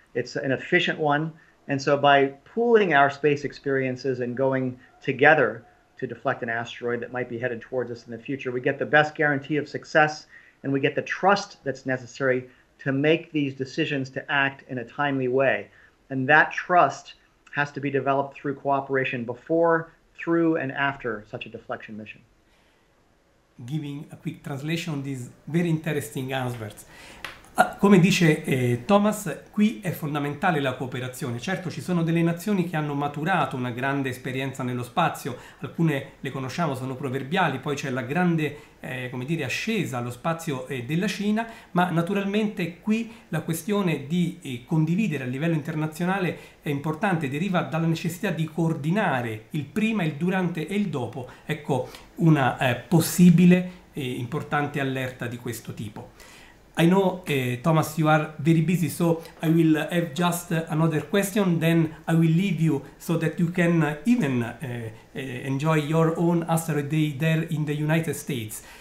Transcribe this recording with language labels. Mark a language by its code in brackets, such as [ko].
[en] It's an efficient one. And so, by pooling our space experiences and going together to deflect an asteroid that might be headed towards us in the future, we get the best guarantee of success and we get the trust that's necessary to make these decisions to act in a timely way. And that trust has to be developed through cooperation before, through, and after such a deflection mission. Giving a quick translation of these very interesting answers. [it] Come dice Thomas, qui è fondamentale la cooperazione. Certo, ci sono delle nazioni che hanno maturato una grande esperienza nello spazio, alcune le conosciamo, sono proverbiali, poi c'è la grande come dire, ascesa allo spazio della Cina, ma naturalmente qui la questione di condividere a livello internazionale è importante, deriva dalla necessità di coordinare il prima, il durante e il dopo, ecco, una possibile importante allerta di questo tipo. [en] I know, Thomas, you are very busy, so I will have just another question, then I will leave you so that you can even enjoy your own asteroid day there in the United States.